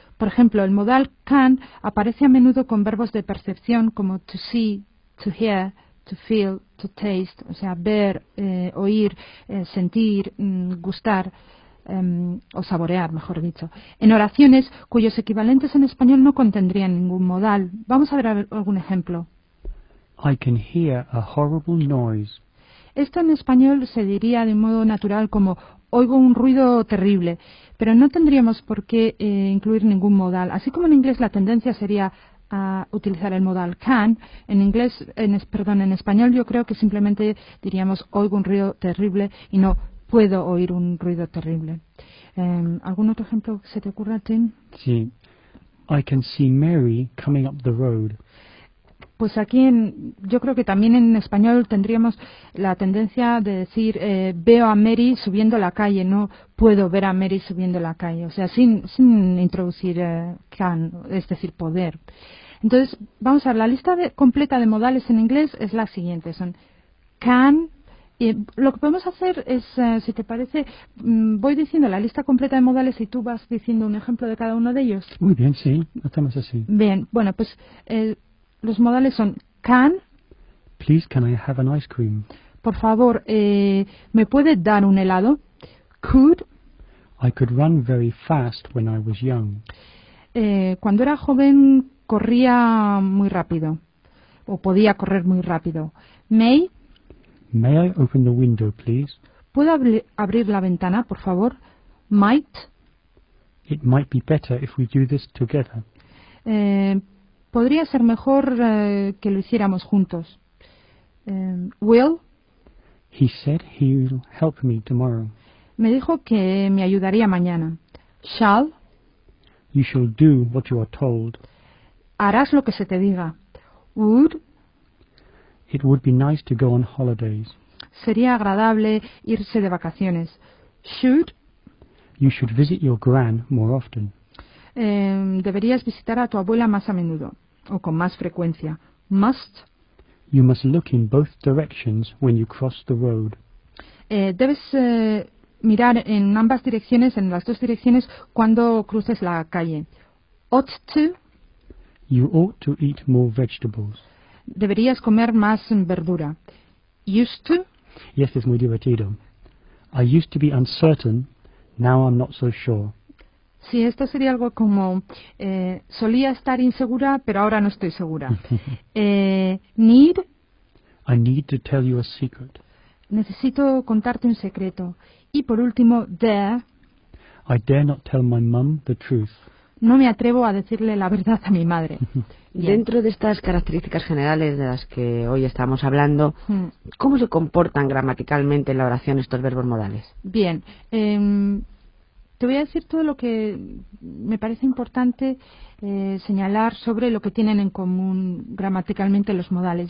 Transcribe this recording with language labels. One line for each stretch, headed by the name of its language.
Spanish: Por ejemplo, el modal can aparece a menudo con verbos de percepción como to see, to hear, to feel, to taste, o sea, ver, oír, sentir, gustar. O saborear, mejor dicho, en oraciones cuyos equivalentes en español no contendrían ningún modal. Vamos a ver algún ejemplo.
English: I can hear a horrible noise.
Spanish: Esto en español se diría de un modo natural como oigo un ruido terrible, pero no tendríamos por qué incluir ningún modal. Así como en inglés la tendencia sería a utilizar el modal can, en español yo creo que simplemente diríamos oigo un ruido terrible y no puedo oír un ruido terrible. ¿Algún otro ejemplo que se te ocurra, Tim? Sí.
English: I can see Mary coming up the road.
Spanish: Pues aquí yo creo que también en español tendríamos la tendencia de decir veo a Mary subiendo la calle, no puedo ver a Mary subiendo la calle. O sea, sin introducir can, es decir, poder. Entonces, vamos a ver, la lista completa de modales en inglés es la siguiente. Son can. Lo que podemos hacer es, si te parece, voy diciendo la lista completa de modales y tú vas diciendo un ejemplo de cada uno de ellos. Muy bien, sí, estamos así. Bien, bueno, pues los modales son can.
English: Please, can I have an ice cream?
Spanish: Por favor, ¿me puede dar un helado?
English: Could. I could run very fast when I was young.
Spanish: Cuando era joven corría muy rápido, o podía correr muy rápido.
English: May. May I open the window, please?
Spanish: ¿Puedo abrir la ventana, por favor?
English: Might. It might be better if we do this together.
Spanish: Podría ser mejor que lo hiciéramos juntos.
English: Will. He said he'll help me tomorrow.
Spanish: Me dijo que me ayudaría mañana.
English: Shall. You shall do what you are told.
Spanish: Harás lo que se te diga. Would.
English: It would be nice to go on holidays.
Spanish: Sería agradable irse de vacaciones.
English: Should. You should visit your gran more often.
Spanish: Deberías visitar a tu abuela más a menudo, o con más frecuencia.
English: Must. You must look in both directions when you cross the road.
Spanish: Debes mirar en ambas direcciones, en las dos direcciones, cuando cruces la calle.
English: Ought to. You ought to eat more vegetables.
Spanish: Deberías comer más verdura.
English: Used to.
Spanish: Yes, es muy divertido.
English: I used to be uncertain, now I'm not so sure.
Spanish: Sí, esto sería algo como solía estar insegura, pero ahora no estoy segura.
English: Need. I need to tell you a secret.
Spanish: Necesito contarte un secreto. Y por último, dare.
English: I dare not tell my mum the truth.
Spanish: No me atrevo a decirle la verdad a mi madre. Bien. Dentro de estas características generales de las que hoy estamos hablando, ¿cómo se comportan gramaticalmente en la oración estos verbos modales? Bien, te voy a decir todo lo que me parece importante señalar sobre lo que tienen en común gramaticalmente los modales.